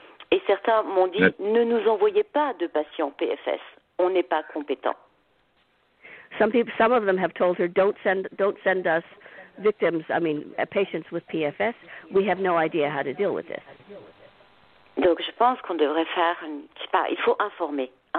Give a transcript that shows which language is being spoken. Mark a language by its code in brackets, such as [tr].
[fr] Et certains m'ont dit, ne nous envoyez pas de patients PFS. On n'est pas compétents. [en] Some of them have told her, don't send us patients with PFS, we have no idea how to deal with this. [fr] Donc, je pense qu'on devrait faire, il faut informer.